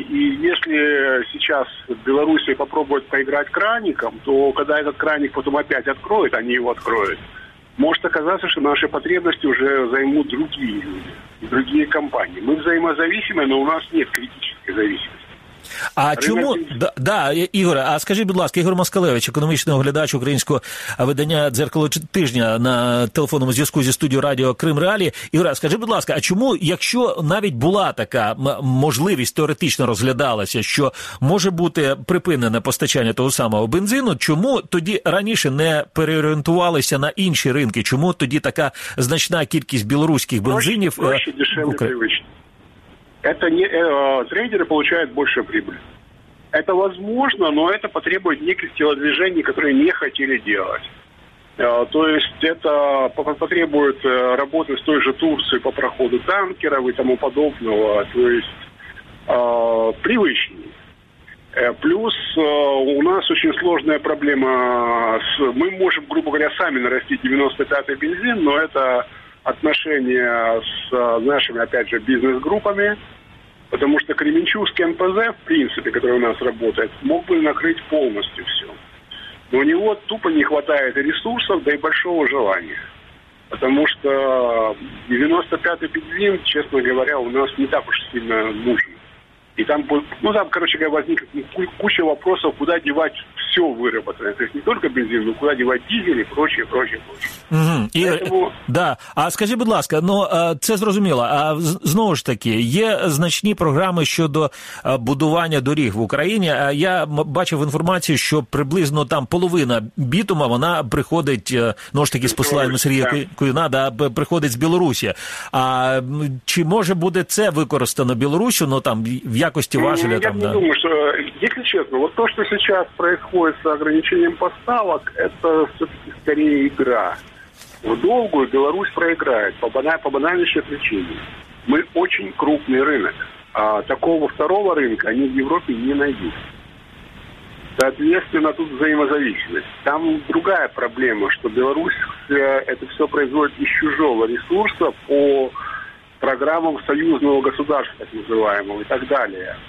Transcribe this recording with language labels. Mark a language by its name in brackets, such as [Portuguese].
[Russian] И если сейчас Белоруссия попробует поиграть краником, то когда этот краник потом опять откроют, они его откроют, может оказаться, что наши потребности уже займут другие люди, другие компании. Мы взаимозависимы, но у нас нет критической зависимости. [Ukrainian] А чому, да, Ігор, а скажіть, будь ласка, Ігор Москалевич, економічний оглядач українського видання «Дзеркало тижня» на телефонному зв'язку зі студією радіо «Крим Реалі». Ігор, скажіть, будь ласка, а чому, якщо навіть була така можливість, теоретично розглядалася, що може бути припинене постачання того самого бензину, чому тоді раніше не переорієнтувалися на інші ринки? Чому тоді така значна кількість білоруських бензинів? [Russian] Проще, дешевле, привичні. Это не трейдеры получают больше прибыли. Это возможно, но это потребует неких телодвижений, которые не хотели делать. То есть это потребует работы с той же Турцией по проходу танкеров и тому подобного. То есть привычнее. Плюс у нас очень сложная проблема. Мы можем, грубо говоря, сами нарастить 95-й бензин, но это отношения с нашими, опять же, бизнес-группами, потому что Кременчугский НПЗ, в принципе, который у нас работает, мог бы накрыть полностью все. Но у него тупо не хватает ресурсов, да и большого желания. Потому что 95-й бензин, честно говоря, у нас не так уж сильно нужен. И там, ну, там, короче говоря, возникла куча вопросов, куда девать все выработанное. То есть не только бензин, но куда девать дизель и прочее, прочее, прочее. [Ukrainian] Угу. І, тому... Да. А скажіть, будь ласка, ну, це зрозуміло. А знову ж таки, є значні програми щодо будування доріг в Україні. Я бачив інформацію, що приблизно там половина бітума, вона приходить, знову ж таки, з посиланням Сергія Куюна, да, приходить з Білорусі. А чи може буде це використано Білорусю, ну, там, в якості важеля? Я не думаю, що, якщо чесно, от то, що зараз відбувається з ограниченням поставок, це все-таки скоріше ігра. [Russian] В долгую Беларусь проиграет по банальнейшей причине. Мы очень крупный рынок. А такого второго рынка они в Европе не найдут. Соответственно, тут взаимозависимость. Там другая проблема, что Беларусь это все производит из чужого ресурса по программам союзного государства, так называемого, и так далее.